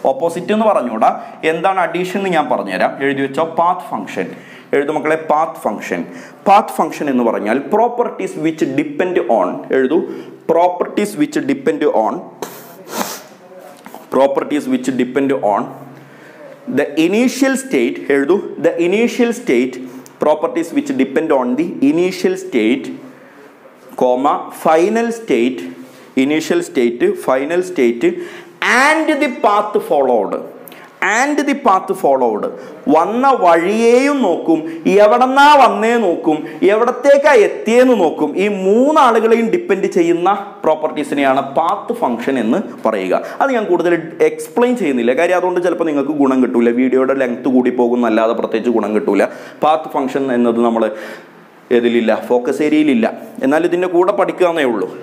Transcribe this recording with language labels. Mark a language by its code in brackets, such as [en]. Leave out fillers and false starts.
[ml] Opposite എന്ന് പറഞ്ഞുകൂടാ, എന്താണ് addition എന്ന് ഞാൻ പറഞ്ഞുതരാം. എഴുതി വെച്ചോ പാത്ത് ഫംഗ്ഷൻ. എഴുതു മക്കളെ [en] Path function. Path function [ml] എന്ന് പറഞ്ഞാൽ [en] Properties which depend on, എഴുതു properties which depend on, properties which depend on the initial state. [ml] എഴുതു [en] The initial state, properties which depend on the initial state, comma, final state, initial state, final state, and the path followed, and the path followed. [ml] വന്ന വഴിയേയും നോക്കും, എവിടെന്നാ വന്നേ നോക്കും, എവിടത്തേക്കാ എത്തിയെന്ന് നോക്കും. ഈ മൂന്നാളുകളെയും depend ചെയ്യുന്ന പ്രോപ്പർട്ടീസിനെയാണ് path function എന്ന് പറയുക. അത് ഞാൻ കൂടുതൽ എക്സ്പ്ലെയിൻ ചെയ്യുന്നില്ല, കാര്യം അതുകൊണ്ട് ചിലപ്പോൾ നിങ്ങൾക്ക് ഗുണം കിട്ടൂല. വീഡിയോയുടെ ലെങ്ത് കൂടി പോകുന്നല്ലാതെ പ്രത്യേകിച്ച് ഗുണം കിട്ടൂല. പാത്ത് ഫംഗ്ഷൻ എന്നത് നമ്മൾ ഇതിലില്ല, ഫോക്കസ് ഏരിയയിലില്ല, എന്നാൽ ഇതിൻ്റെ കൂടെ പഠിക്കുക എന്നേ ഉള്ളൂ.